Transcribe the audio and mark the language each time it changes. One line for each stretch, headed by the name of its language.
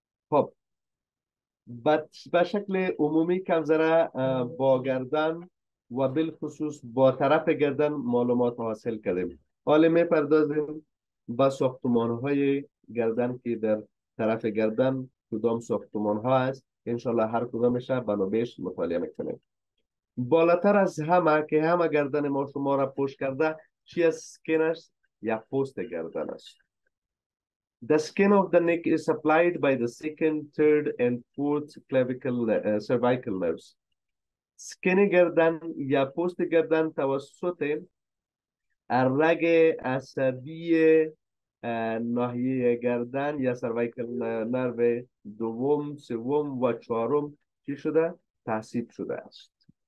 Persian: خب به شکل عمومی کم ذره با گردن و بالخصوص با طرف گردن معلومات حاصل کردیم حالا می پردازیم به ساختمان های گردن که در طرف گردن کدام ساختمان ها هست انشالله هر کدامش را بنابیش مطالعه می کنیم بالاتر از همه که همه گردن ما شما را پشت کرده چی از سکن است؟ یا پوست گردن است.
English: The skin of the neck is supplied by the second, third and fourth cervical nerves.
Persian: Skin گردن یا پوست گردن توسط رگ عصبی ناحیه گردن یا cervical نرو دوم، سوم و چهارم چی شده؟ تعصیب شده است.